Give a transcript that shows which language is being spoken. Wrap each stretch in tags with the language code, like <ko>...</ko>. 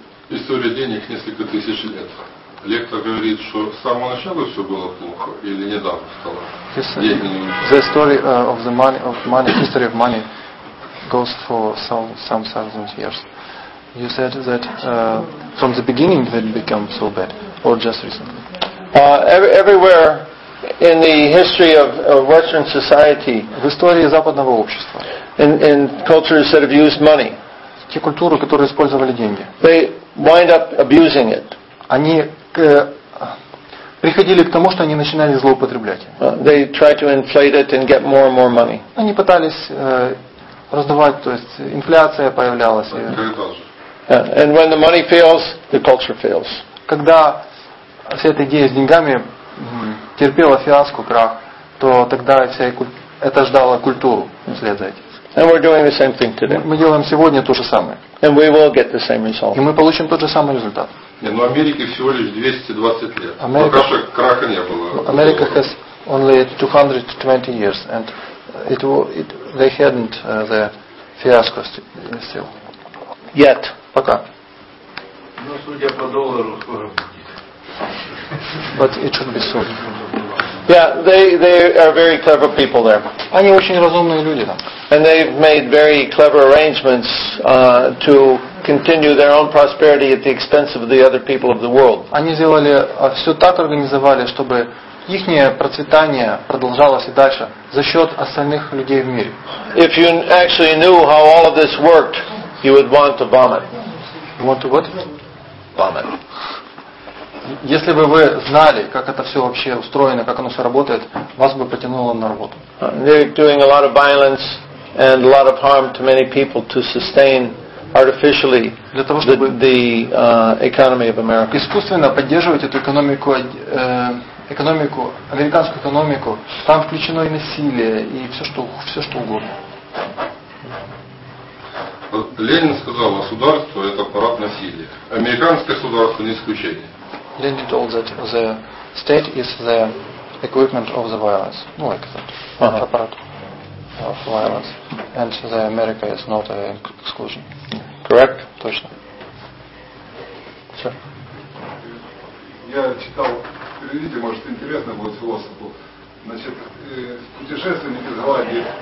<ru>История денег несколько тысяч лет. Лектор говорит, что с самого начала все было плохо или недавно стало?</ru> <en>The story of the money, history of money goes for some thousand years. You said that from the beginning it became so bad, or just recently? Everywhere in the history of Western society,</en> <ru>в истории западного общества,</ru> <en>in cultures that have used money,</en> <ru>те культуры, которые использовали деньги,</ru> <en>they wind up abusing it.</en> <ru>Они приходили к тому, что они начинали злоупотреблять.</ru> <en>They try to inflate it and get more and more money.</en> <ru>Они пытались раздавать, то есть инфляция появлялась.</ru> <en>And when the money fails, the culture fails.</en> <ru>Когда вся эта идея с деньгами терпела фиаско, крах, то тогда вся это ждало культуру вслед за этим.</ru> <en>And we're doing the same thing today.</en> <ru>Мы делаем сегодня то же самое.</ru> <en>And we will get the same result.</en> <ru>И мы получим тот же самый результат. Не, но Америке всего лишь 220 лет. Пока что краха не было.</ru> <en>America has only 220 years, and they hadn't the fiasco still. Yet.</en> <ru>Пока. Ну, судя по доллару, скоро будет.</ru> <en>But it should be soon. Yeah, they are very clever people there.</en> <ru>Они очень разумные люди там.</ru> <en>And they've made very clever arrangements to continue their own prosperity at the expense of the other people of the world.</en> <ru>Они сделали все так организовали, чтобы ихнее процветание продолжалось и дальше за счет остальных людей в мире.</ru> <en>If you actually knew how all of this worked, you would want to vomit. You want to what? Vomit.</en> <ru>Если бы вы знали, как это все вообще устроено, как оно все работает, вас бы потянуло на работу.</ru> <en>They're doing a lot of violence and a lot of harm to many people to sustain artificially the economy of America.</en> <ru>Искусственно поддерживать эту экономику, американскую экономику, там включено и насилие, и все что угодно. Ленин сказал, государство это аппарат насилия. Американское государство не исключение.</ru> <en>Lenin told that the state is the equipment of the violence, like that, uh-huh. Apparat of violence, and the America is not an exclusion. Correct?</en> <ru>Точно.</ru> <en>Sir?</en> <ru>Я читал, переведите, может интересно будет философу, значит, путешественник из Голландии,</ru>